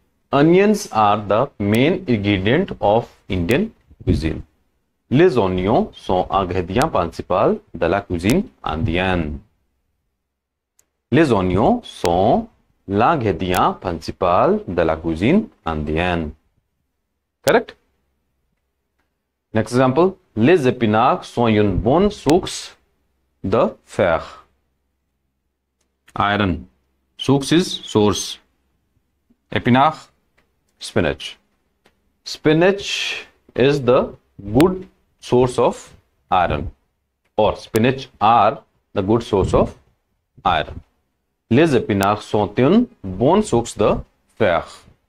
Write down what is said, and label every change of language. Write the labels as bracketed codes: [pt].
[en] Onions are the main ingredient of Indian cuisine. [fr] Les oignons sont ingrédients principaux de la cuisine indienne. Les oignons sont l'ingrédient principal de la cuisine indienne. [en] Correct? Next example. [fr] Les épinards sont une bonne source de fer. [en] Iron. Source is source. Épinard, spinach. Spinach is the good source of iron, or spinach are the good source of iron. [fr] Les épinards sont une bonne source de fer.